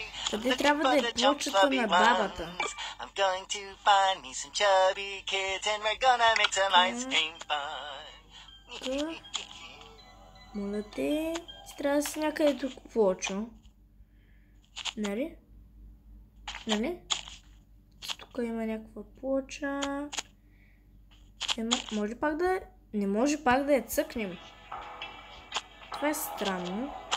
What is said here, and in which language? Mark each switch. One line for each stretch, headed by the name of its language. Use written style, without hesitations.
Bulgarian: Къде трябва да е плочата на бабата?
English: I'm going to find me some chubby kids and we're gonna make some ice cream fun.
Bulgarian: Моля те, ти трябва да си някъде тук в очо. Нали? Нали? Тук има някаква плоча. Ема, може пак да... Не може пак да я цъкнем. Това е странно.